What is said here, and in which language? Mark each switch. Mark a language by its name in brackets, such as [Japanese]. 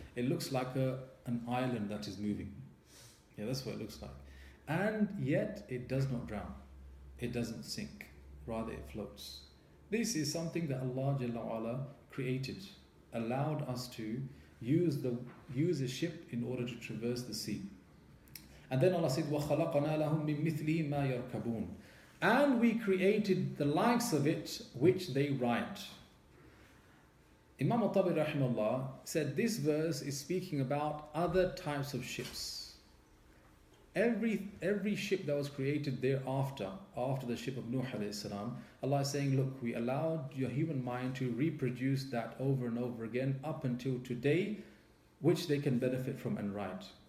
[English] It looks like an island that is moving. Yeah, that's what it looks like. And yet it does not drown. It doesn't sink. Rather, it floats. This is something that Allah Jalla Wa'ala created, allowed us to use a ship in order to traverse the sea. And then Allah said, [Arabic] وَخَلَقَنَا لَهُمْ مِنْ مِثْلِي مَا يَرْكَبُونَ. [English] And we created the likes of it which they ride. Imam al-Tabari rahimahullah said this verse is speaking about other types of ships. Every ship that was created thereafter, after the ship of Nuh alayhi salam, Allah is saying, look, we allowed your human mind to reproduce that over and over again up until today, which they can benefit from and ride.